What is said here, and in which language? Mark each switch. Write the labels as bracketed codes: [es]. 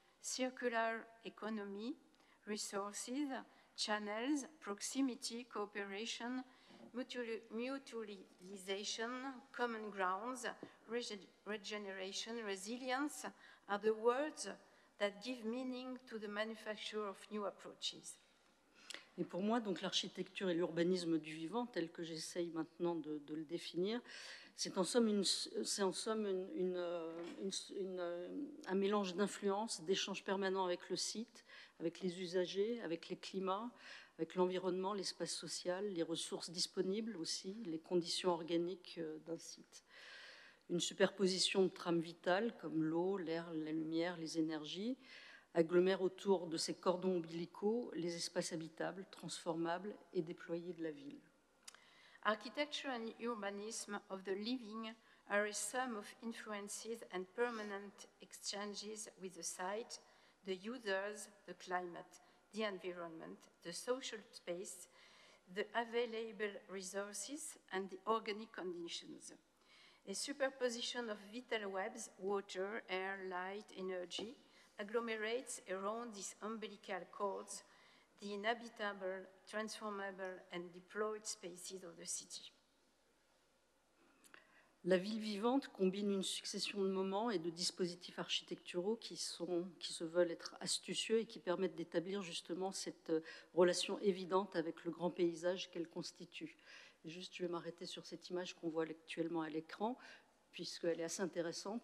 [en] Circular economy, resources, channels, proximity, cooperation, mutualization, common grounds, regeneration, resilience are the words that give meaning to the manufacture of new approaches. [fr] Et pour moi, donc, l'architecture et l'urbanisme du vivant, tel que j'essaye maintenant de le définir, c'est en somme un mélange d'influences, d'échanges permanents avec le site, avec les usagers, avec les climats, avec l'environnement, l'espace social, les ressources disponibles aussi, les conditions organiques d'un site. une superposition de trames vitales comme l'eau, l'air, la lumière, les énergies, agglomère autour de ces cordons ombilicaux les espaces habitables, transformables et déployés de la ville. [en] Architecture and urbanism of the living are a sum of influences and permanent exchanges with the site, the users, the climate, the environment, the social space, the available resources and the organic conditions. A superposition of vital webs, water, air, light, energy, agglomerates around these umbilical cords the inhabitable, transformable and deployed spaces of the city. [fr] La ville vivante combine une succession de moments et de dispositifs architecturaux qui se veulent être astucieux et qui permettent d'établir justement cette relation évidente avec le grand paysage qu'elle constitue. Juste, je vais m'arrêter sur cette image qu'on voit actuellement à l'écran, puisqu'elle est assez intéressante.